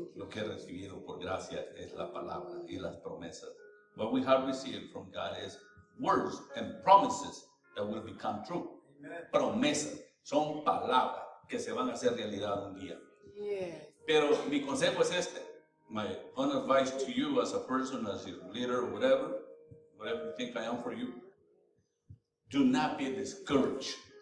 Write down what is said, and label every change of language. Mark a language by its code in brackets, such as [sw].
[es] Lo que he recibido por gracia es la palabra y las promesas. [en] What we have received from God is words and promises that will become true. [es] Promesas son palabras que se van a hacer realidad un día. Pero mi consejo es este. [en] My own advice to you as a person, as your leader, whatever you think I am for you, do not be discouraged.